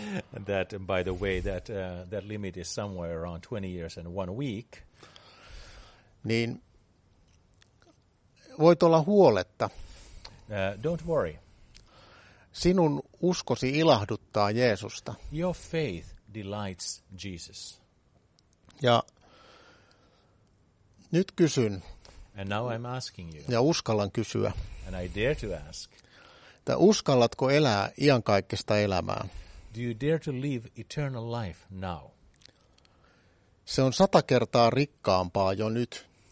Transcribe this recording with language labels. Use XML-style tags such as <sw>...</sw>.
<en>That by the way that limit is somewhere around 20 years and one week.</en> <fi>Niin voit olla huoletta.</fi> <en>Don't worry.</en> <fi>Sinun uskosi ilahduttaa Jeesusta.</fi> <en>Your faith delights Jesus.</en> <fi>Ja nyt kysyn.</fi> <en>And now I'm asking you.</en> <fi>Ja uskallan kysyä.</fi> <en>And I dare to ask.</en> <fi>Että uskallatko elää iankaikkista elämää?</fi> <en>Do you dare to live eternal life now?</en> <fi>Se on 100 kertaa rikkaampaa jo nyt.</fi>